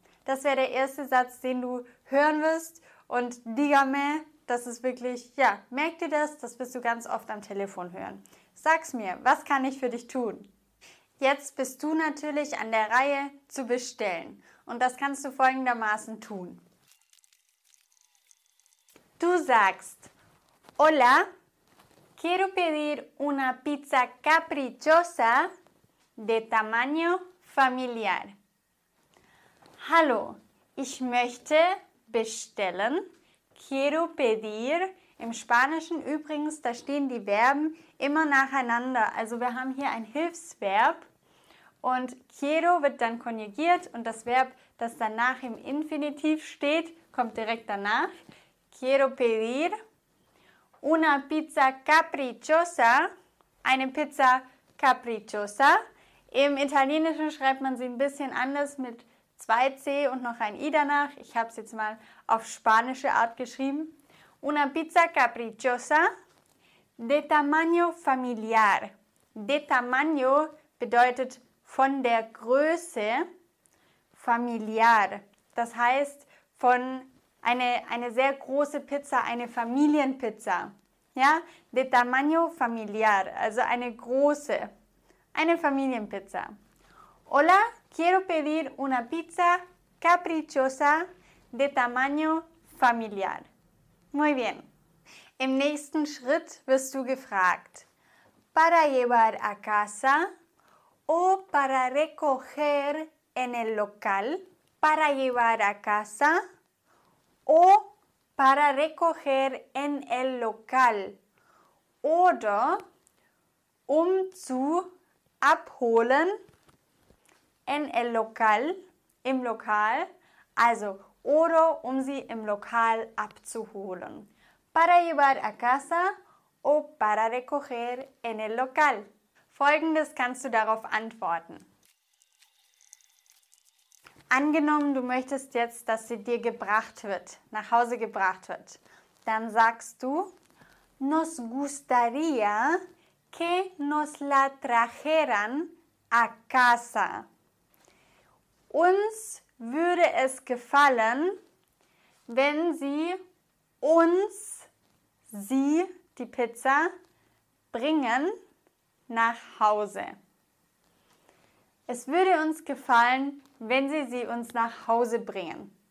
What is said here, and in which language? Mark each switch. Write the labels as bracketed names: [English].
[German] Das wäre der erste Satz, den du hören wirst. Und dígame, das ist wirklich, ja, merk dir das, das wirst du ganz oft am Telefon hören. Sag's mir, was kann ich für dich tun? Jetzt bist du natürlich an der Reihe zu bestellen. Und das kannst du folgendermaßen tun. Du sagst: [Spanish] Hola, quiero pedir una pizza caprichosa de tamaño familiar. [German] Hallo, ich möchte bestellen. [Spanish] Quiero pedir. [German] Im Spanischen übrigens, da stehen die Verben immer nacheinander. Also wir haben hier ein Hilfsverb. Und quiero wird dann konjugiert und das Verb, das danach im Infinitiv steht, kommt direkt danach. [Spanish] Quiero pedir una pizza caprichosa. [German] Eine Pizza caprichosa. Im Italienischen schreibt man sie ein bisschen anders mit zwei C und noch ein I danach. Ich habe es jetzt mal auf spanische Art geschrieben. [Spanish] Una pizza caprichosa de tamaño familiar. De tamaño [German] bedeutet von der Größe familiar. Das heißt, von eine sehr große Pizza, eine Familienpizza. Ja? [Spanish] De tamaño familiar. [German] Also eine große. Eine Familienpizza. [Spanish] Hola, quiero pedir una pizza caprichosa de tamaño familiar. Muy bien. [German] Im nächsten Schritt wirst du gefragt: [Spanish] Para llevar a casa. O para recoger en el local, para llevar a casa, o para recoger en el local, [German] oder um zu abholen [Spanish] en el local, [German] im Lokal, also oder um sie im Lokal abzuholen. [Spanish] Para llevar a casa o para recoger en el local. [German] Folgendes kannst du darauf antworten. Angenommen, du möchtest jetzt, dass sie dir gebracht wird, nach Hause gebracht wird. Dann sagst du, [Spanish] nos gustaría que nos la trajeran a casa. [German] Uns würde es gefallen, wenn sie uns, sie, die Pizza, bringen nach Hause. Es würde uns gefallen, wenn sie sie uns nach Hause bringen.